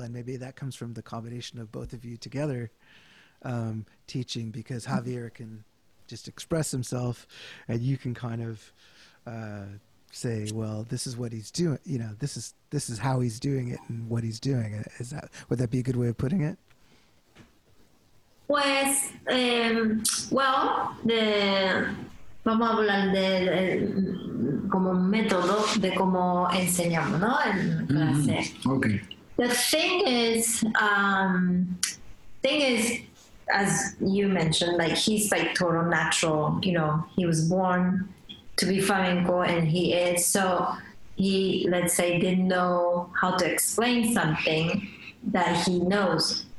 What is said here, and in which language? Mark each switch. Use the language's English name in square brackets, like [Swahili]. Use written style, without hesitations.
[English] And maybe that comes from the combination of both of you together teaching, because Javier can just express himself and you can kind of say, well, this is what he's doing. You know, this is how he's doing it and what he's doing. Is that, would that be a good way of putting it? [Spanish] Pues, well, de, vamos a hablar de como un método de cómo enseñamos, ¿no? En clase. [English] Okay. The thing is, as you mentioned, like, he's like total natural, you know, he was born to be flamenco and he is, so he, let's say, didn't know how to explain something that he knows.